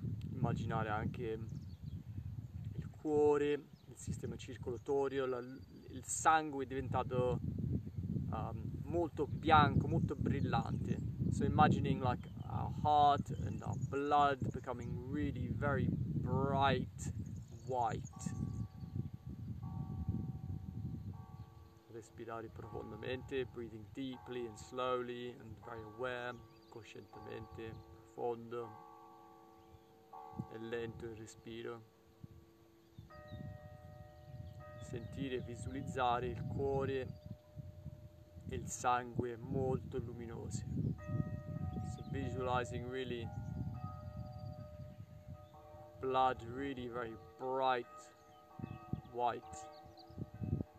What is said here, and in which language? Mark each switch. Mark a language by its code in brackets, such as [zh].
[it] Immaginare anche il cuore, il sistema circolatorio, il sangue è diventato molto bianco, molto brillante. [en] So imagining like our heart and our blood becoming really very bright white. [it] Respirare profondamente, [en] breathing deeply and slowly and very aware, [it] coscientemente, profondo. È lento il respiro. Sentire e visualizzare il cuore e il sangue molto luminosi. [en] So visualizing really blood really very bright white.